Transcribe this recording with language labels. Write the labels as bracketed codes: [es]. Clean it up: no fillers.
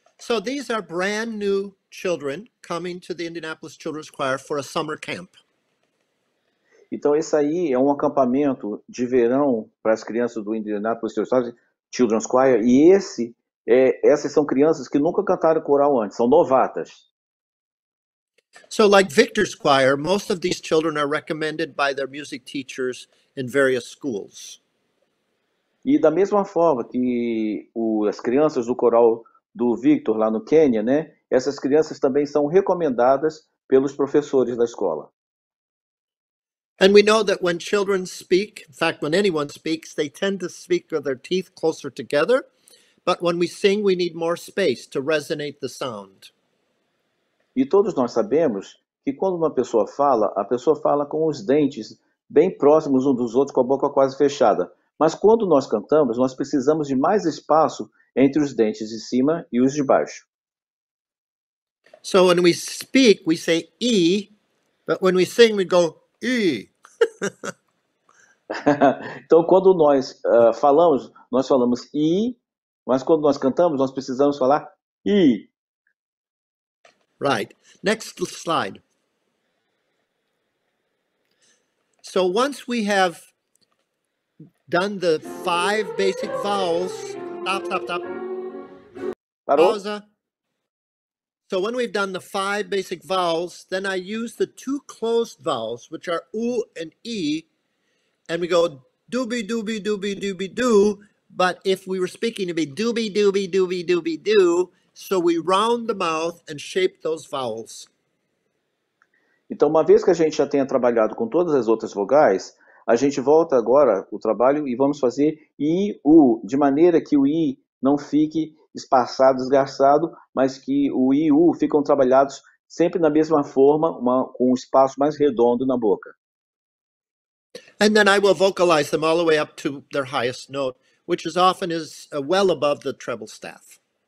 [en] So these are brand new children coming to the Indianapolis Children's Choir for a summer camp. [pt] Então esse aí é um acampamento de verão para as crianças do Indianapolis Children's Choir e essas são crianças que nunca cantaram coral antes, são novatas. [en] So like Victor's Choir, most of these children are recommended by their music teachers in various schools. [pt] E da mesma forma que as crianças do coral do Victor lá no Quênia, né? Essas crianças também são recomendadas pelos professores da escola. [en] And we know that when children speak, in fact, when anyone speaks, they tend to speak with their teeth closer together. But when we sing, we need more space to resonate the sound. [pt] E todos nós sabemos que quando uma pessoa fala, a pessoa fala com os dentes bem próximos uns dos outros, com a boca quase fechada. Mas quando nós cantamos, nós precisamos de mais espaço entre os dentes de cima e os de baixo. [en] So when we speak, we say E, but when we sing, we go E. [pt] Então, quando nós falamos, nós falamos E, mas quando nós cantamos, nós precisamos falar E. [en] Right. Next slide. So once we have done the five basic vowels, stop, stop, stop. [pt] Parou? Pausa. [en] So when we've done the five basic vowels, then I use the two closed vowels, which are U and E, and we go dooby dooby dooby dooby doo. But if we were speaking, it'd be dooby dooby dooby dooby doo. So we round the mouth and shape those vowels. [pt] Então, uma vez que a gente já tenha trabalhado com todas as outras vogais, a gente volta agora o trabalho e vamos fazer I, U, de maneira que o I não fique espaçado, desgastado, mas que o I e o U ficam trabalhados sempre na mesma forma, com um espaço mais redondo na boca. [en] And then I will vocalize them all the way up to their highest note, which is often is well above the treble staff.